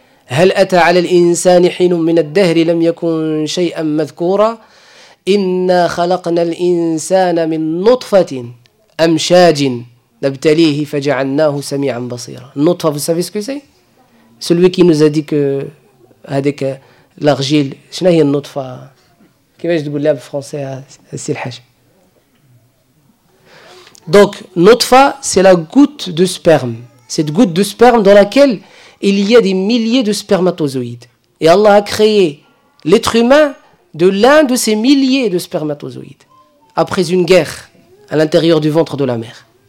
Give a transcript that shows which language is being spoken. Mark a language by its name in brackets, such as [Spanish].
[Arabic] هل أتى على الإنسان حين من الدهر لم يكن شيئا مذكورا إن خلقنا الإنسان من نطفة أمشاج نبتليه فجعلناه سميعا بصيرا. [French] نطفة, vous savez ce que c'est? Celui qui nous a dit que avec l'argile, [Arabic] شنو هي النطفة? كيفاش تقول لها بالفرنسي سي الحاج? [French] Donc, نطفة, c'est la goutte de sperme. cette goutte de sperme dans laquelle il y a des milliers de spermatozoïdes. Et Allah a créé l'être humain de l'un de ces milliers de spermatozoïdes, après une guerre à l'intérieur du ventre de la mère.